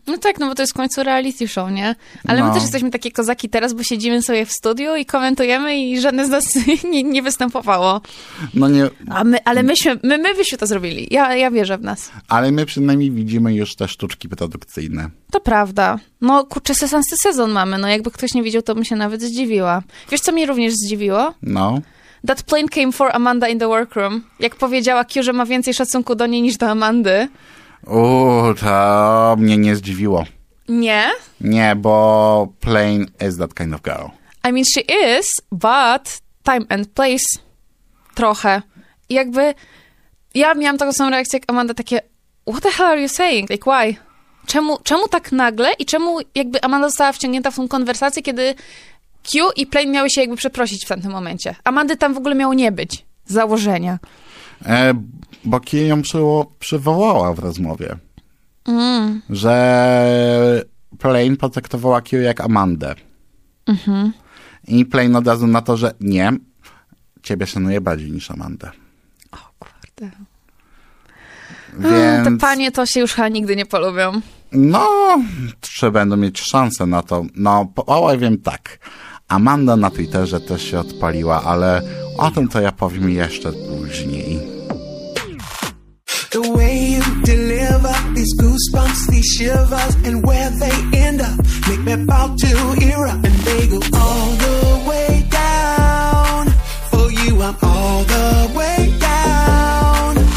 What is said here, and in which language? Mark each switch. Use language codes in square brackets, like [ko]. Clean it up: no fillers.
[pl] No tak, no bo to jest w końcu reality show, nie? Ale no. My też jesteśmy takie kozaki teraz, bo siedzimy sobie w studiu i komentujemy i żadne z nas nie występowało. No nie. Ale my byśmy to zrobili. Ja wierzę w nas. Ale my przynajmniej widzimy już te sztuczki produkcyjne. To prawda. No kurczę, sezon mamy. No jakby ktoś nie widział, to bym się nawet zdziwiła. Wiesz, co mnie również zdziwiło? No. [en] That plane came for Amanda in the workroom. [pl] Jak powiedziała Q, że ma więcej szacunku do niej niż do Amandy. To mnie nie zdziwiło. Nie? Nie, bo [en] plane is that kind of girl. I mean, she is, but time and place [pl] trochę. Jakby ja miałam taką samą reakcję jak Amanda, takie [en] what the hell are you saying? Like, why? [pl] Czemu tak nagle i czemu jakby Amanda została wciągnięta w tą konwersację, kiedy Q i Plane miały się jakby przeprosić w tamtym momencie. Amandy tam w ogóle miało nie być. Z założenia. Bo Q ją przywołała w rozmowie. Mm. Że Plane potraktowała Q jak Amandę. Mm-hmm. I Plane od razu na to, że nie, ciebie szanuję bardziej niż Amandę. O kurde. Więc... te panie to się już chyba nigdy nie polubią. No, czy będą mieć szansę na to? No, powiem tak. Amanda na Twitterze też się odpaliła, ale o tym to ja powiem jeszcze później. [en] The way you deliver these goosebumps, these shivers, and where they end up, make me about to erupt, and they go all the way down. For you, I'm all the way down.